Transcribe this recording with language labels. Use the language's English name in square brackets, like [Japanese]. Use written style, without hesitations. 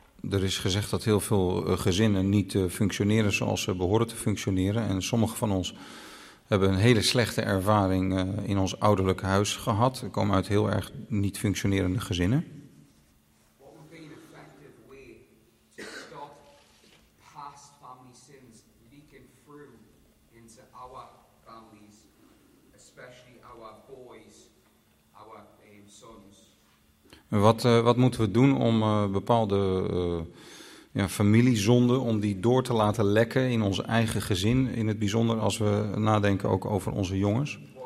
[Dutch] Er is gezegd dat heel veel gezinnen niet functioneren zoals ze behoren te functioneren. En sommige van ons hebben een hele slechte ervaring in ons ouderlijk huis gehad. We komen uit heel erg niet functionerende gezinnen. [English] What would be an effective way to stop past family sins leaking through into our families, especially our boys, our sons? [Dutch] Wat moeten we doen om bepaalde familiezonden, om die door te laten lekken in ons eigen gezin, in het bijzonder als we nadenken ook over onze jongens?